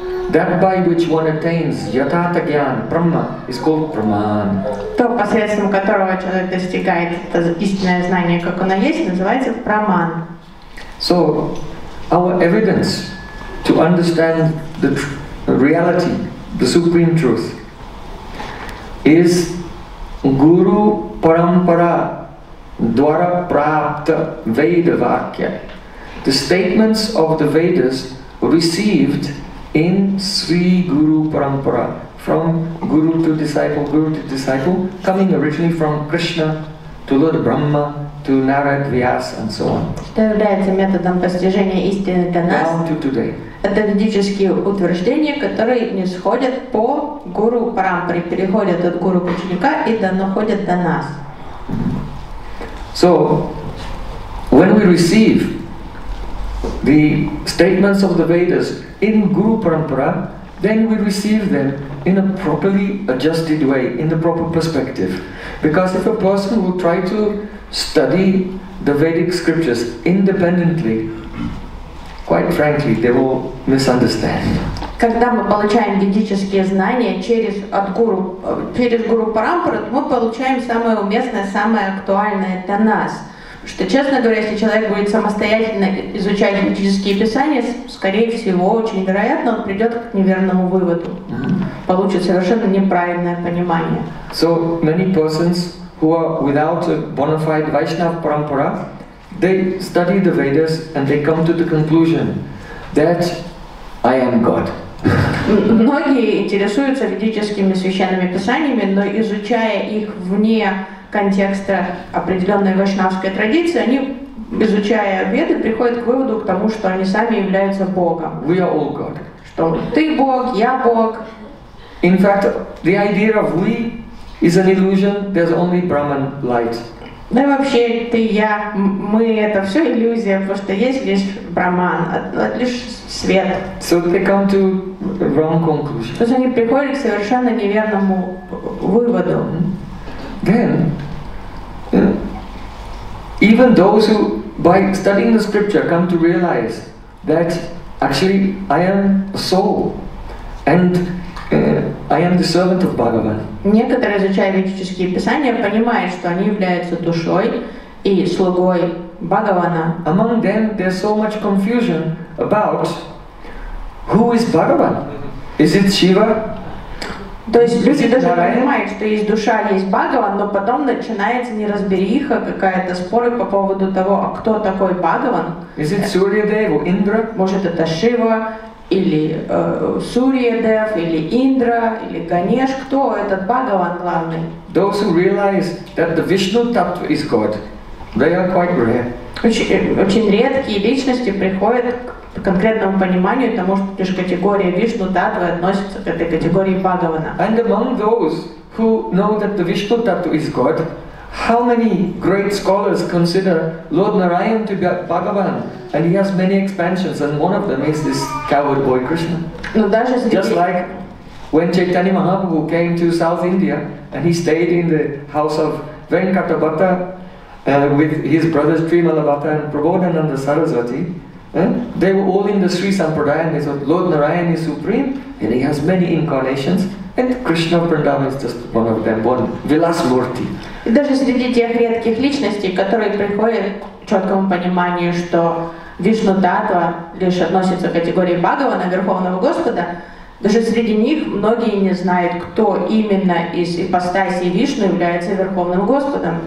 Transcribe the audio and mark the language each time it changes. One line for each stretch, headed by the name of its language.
English: That by which one attains yatartha gyan, brahma, is called praman.
Russian: То, посредством которого человек достигает это истинное знание, как оно есть, называется праман.
English: So, our evidence to understand the reality, the supreme truth, is
Sanskrit: guru parampara dvara prapta veda vakya.
English: The statements of the Vedas received in Sri Guru Parampara, from guru to disciple, coming originally from Krishna to Lord Brahma to Narad Vyas and so on.
Russian: Что является методом постижения истины для нас?
English: Down to today.
Russian: Это ведические утверждения, которые нисходят по Гуру Парампаре, переходят от Гуру к ученика и доходят до нас.
English: So, when we receive the statements of the Vedas in Guru Parampara, then we receive them in a properly adjusted way, in the proper perspective. Because if a person will try to study the Vedic scriptures independently, quite frankly, they will misunderstand.
Russian: Когда мы получаем ведические знания через Гуру Парампару, мы получаем самое уместное, самое актуальное для нас. Что, честно говоря, если человек будет самостоятельно изучать ведические писания, скорее всего, очень вероятно, он придет к неверному выводу, получит совершенно неправильное понимание.
English: So many persons who are without a bona fide Vaishnava parampara, they study the Vedas and they come to the conclusion that I am God.
Russian: Многие интересуются ведическими священными писаниями, но изучая их вне контекста определенной вайшнавской традиции, они, изучая Веды, приходят к выводу к тому, что они сами являются Богом.
English: We are all God.
Russian: Что ты Бог, я Бог.
English: In fact, the idea of we is an illusion. There's only Brahman light.
Russian: Да и вообще, ты, я, мы — это все иллюзия, потому что есть лишь Брахман, лишь свет.
English: So they come to wrong conclusion.
Russian: То есть они приходят к совершенно неверному выводу.
English: Then, even those who, by studying the scripture, come to realize that actually I am a soul and I am the servant of Bhagavan.
Russian: Некоторые, изучая ведические писания, понимают, что они являются душой и слугой Бхагавана.
English: Among them, there's so much confusion about who is Bhagavan. Is it Shiva?
Russian: То есть люди даже понимают, что есть душа, есть Бхагаван, но потом начинается неразбериха, какая-то споры по поводу того, а кто такой Бхагаван.
English: Is it Surya Dev or Indra?
Russian: Может, это Шива, или Surya Dev, или Индра, или Ганеш. Кто этот Бхагаван главный?
English: Those who realize that the Vishnu Tattva is God, they are quite rare.
Russian: Очень редкие личности приходят к конкретному пониманию, это может быть лишь категория Вишну Таттва относится к этой категории Бхагавана.
English: And among those who know that the Vishnu Tattva is God, how many great scholars consider Lord Narayan to be Bhagavan? And he has many expansions, and one of them is this coward boy Krishna.
Russian: Но даже среди...
English: Just like when Chaitanya Mahaprabhu came to South India, and he stayed in the house of Venkata Bhatta, with his brothers Trimala Bhatta and Prabodhananda Saraswati, they were all in the Sri Sampradaya, and they said, Lord Narayan is supreme, and he has many incarnations, and Krishna Vrindavan is just one of them, one Vilas Murti.
Russian: И даже среди тех редких личностей, которые приходят к четкому пониманию, что Вишну Таттва лишь относится к категории Бхагавана, Верховного Господа, даже среди них многие не знают, кто именно из ипостасей Вишну является Верховным Господом.